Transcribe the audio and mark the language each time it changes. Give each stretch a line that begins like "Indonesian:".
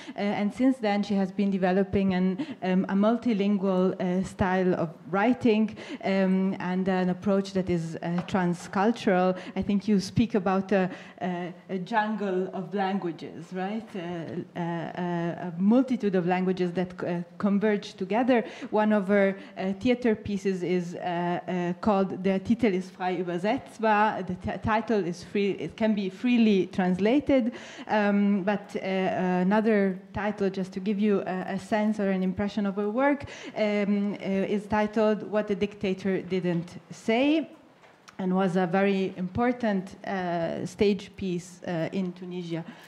English: And since then, she has been developing a multilingual style of writing and an approach that is transcultural. I think you speak about a jungle of languages, right? A multitude of languages that converge together. One of her theater pieces is called
German: Der Titel ist frei übersetzbar.
English: The title is free, it can be freely translated, but another title, just to give you a sense or an impression of her work, is titled What the Dictator Didn't Say, and was a very important stage piece in Tunisia.